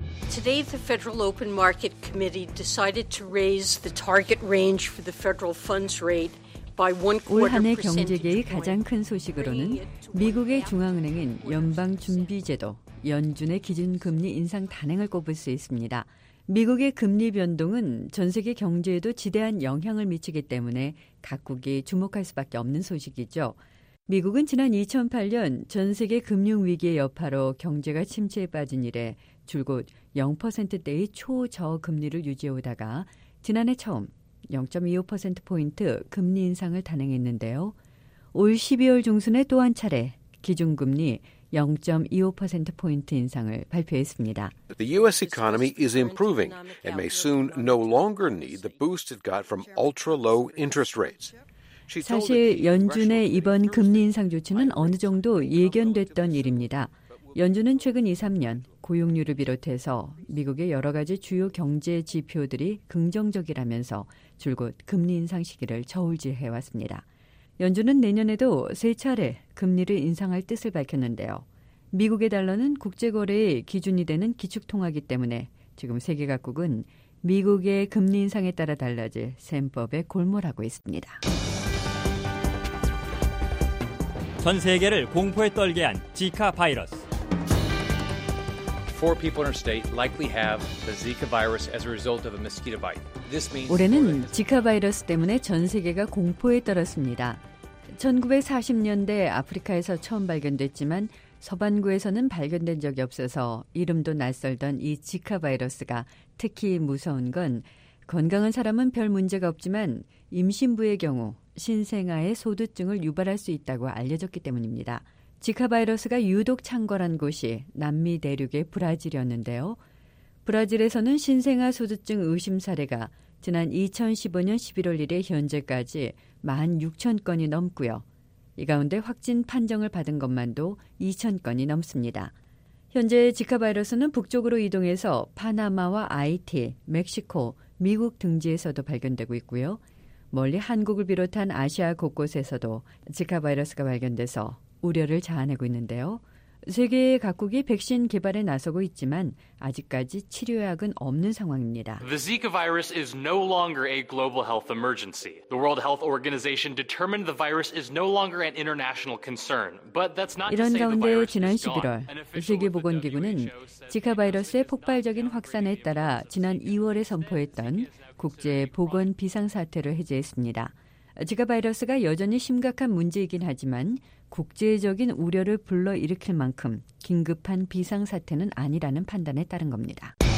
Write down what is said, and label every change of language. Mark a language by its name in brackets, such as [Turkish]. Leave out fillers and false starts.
[English] Today the Federal Open Market Committee decided to raise the target range for the federal funds rate. [Korean] 올 한 해 경제계의 가장 큰 소식으로는 미국의 중앙은행인 연방준비제도, 연준의 기준금리 인상 단행을 꼽을 수 있습니다. 미국의 금리 변동은 전 세계 경제에도 지대한 영향을 미치기 때문에 각국이 주목할 수밖에 없는 소식이죠. 미국은 지난 2008년 전 세계 금융위기의 여파로 경제가 침체에 빠진 이래 줄곧 0%대의 초저금리를 유지해오다가 지난해 처음 0.25%포인트 금리 인상을 단행했는데요. 올 12월 중순에 또 한 차례 기준금리 0.25%포인트 인상을 발표했습니다. [English] The U.S. economy is improving and may soon no longer need the boost it got from ultra-low interest rates. [Korean] 사실 연준의 이번 금리 인상 조치는 어느 정도 예견됐던 일입니다. 연준은 최근 2, 3년 고용률을 비롯해서 미국의 여러 가지 주요 경제 지표들이 긍정적이라면서 줄곧 금리 인상 시기를 저울질해왔습니다. 연준은 내년에도 세 차례 금리를 인상할 뜻을 밝혔는데요. 미국의 달러는 국제거래의 기준이 되는 기축통화기 때문에 지금 세계 각국은 미국의 금리 인상에 따라 달라질 셈법에 골몰하고 있습니다. 전 세계를 공포에 떨게 한 지카 바이러스. [English] Four people in our state likely have the Zika virus as a result of a mosquito bite. This means [Korean] 올해는 지카 바이러스 때문에 전 세계가 공포에 떨었습니다. 1940년대 아프리카에서 처음 발견됐지만 서반구에서는 발견된 적이 없어서 이름도 낯설던 이 지카 바이러스가 특히 무서운 건 건강한 사람은 별 문제가 없지만 임신부의 경우 신생아의 소두증을 유발할 수 있다고 알려졌기 때문입니다. 지카 바이러스가 유독 창궐한 곳이 남미 대륙의 브라질이었는데요. 브라질에서는 신생아 소두증 의심 사례가 지난 2015년 11월 1일에 현재까지 16,000건이 넘고요. 이 가운데 확진 판정을 받은 것만도 2,000건이 넘습니다. 현재 지카 바이러스는 북쪽으로 이동해서 파나마와 아이티, 멕시코, 미국 등지에서도 발견되고 있고요. 멀리 한국을 비롯한 아시아 곳곳에서도 지카 바이러스가 발견돼서 우려를 자아내고 있는데요. 세계의 각국이 백신 개발에 나서고 있지만 아직까지 치료약은 없는 상황입니다. [English] The Zika virus is no longer a global health emergency. The World Health Organization determined the virus is no longer an international concern. But that's not [Korean] 이런 가운데 지난 11월 세계보건기구는 지카 바이러스의 폭발적인 확산에 따라 지난 2월에 선포했던 국제 보건 비상사태를 해제했습니다. 지카 바이러스가 여전히 심각한 문제이긴 하지만 국제적인 우려를 불러일으킬 만큼 긴급한 비상사태는 아니라는 판단에 따른 겁니다.